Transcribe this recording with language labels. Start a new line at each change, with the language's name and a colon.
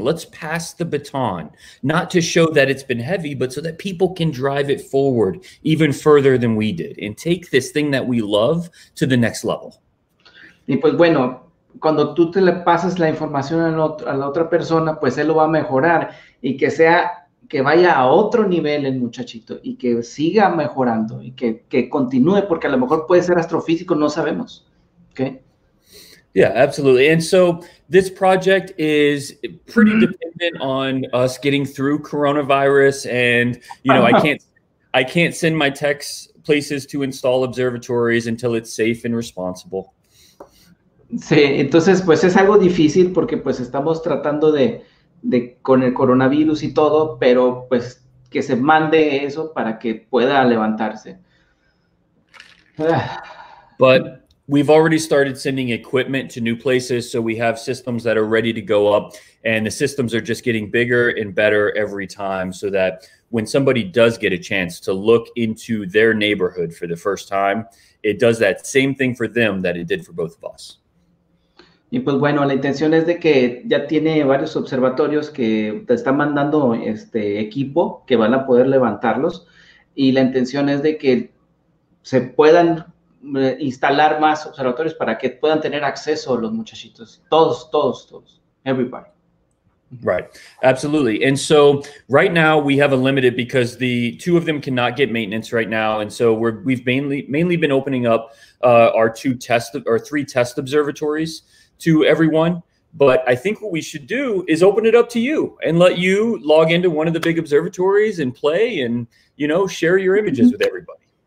English: Let's pass the baton, not to show that it's been heavy, but so that people can drive it forward even further than we did and take this thing that we love to the next level.
Spanish: Y pues bueno, cuando tú te le pasas la información a la otra persona, pues él lo va a mejorar y que sea, que vaya a otro nivel el muchachito y que siga mejorando y que continúe, porque a lo mejor puede ser astrofísico, no sabemos.
English: Okay. Yeah, absolutely. And so this project is pretty dependent on us getting through coronavirus. And, you know, I can't send my techs places to install observatories until it's safe and responsible.
Spanish: Sí, entonces, pues es algo difícil porque pues estamos tratando de con el coronavirus y todo, pero pues que se mande eso para que pueda levantarse.
English: But we've already started sending equipment to new places, so we have systems that are ready to go up, and the systems are just getting bigger and better every time, so that when somebody does get a chance to look into their neighborhood for the first time, it does that same thing for them that it did for both of us.
Spanish: Y pues bueno, la intención es de que ya tiene varios observatorios que te están mandando equipo que van a poder levantarlos, y la intención es de que se puedan instalar más observatorios para que puedan tener acceso los muchachitos, todos,
English: everybody. Right, absolutely. And so right now we have a limited because the two of them cannot get maintenance right now. And so we've mainly been opening up our three test observatories to everyone. But I think what we should do is open it up to you and let you log into one of the big observatories and play and, you know, share your images with everybody.